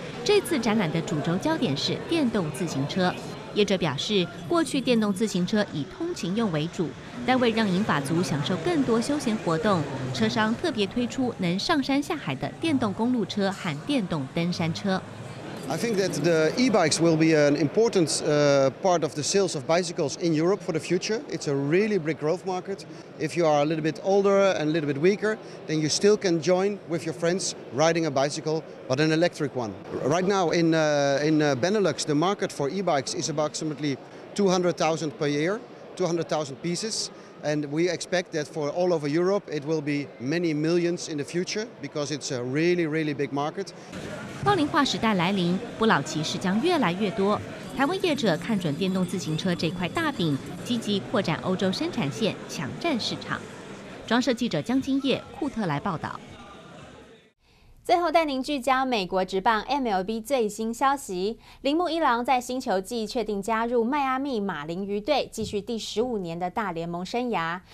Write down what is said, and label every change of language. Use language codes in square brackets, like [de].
[zh] 这次展览的主轴焦点是电动自行车。业者表示，过去电动自行车以通勤用为主，但为让银发族享受更多休闲活动，车商特别推出能上山下海的电动公路车和电动登山车。 [en] I think that the e-bikes will be an important part of the sales of bicycles in Europe for the future. It's a really big growth market. If you are a little bit older and a little bit weaker, then you still can join with your friends riding a bicycle, but an electric one. Right now in Benelux, the market for e-bikes is approximately 200,000 per year, 200,000 pieces. And we expect that for all over Europe, it will be many millions in the future because it's a really, really big market. [zh] 高龄化时代来临，不老骑士将越来越多。台湾业者看准电动自行车这块大饼，积极扩展欧洲生产线，抢占市场。中社记者江金叶、库特来报道。最后带您聚焦美国职棒 MLB 最新消息，铃木一郎在新球季确定加入迈阿密马林鱼队，继续第15年的大联盟生涯。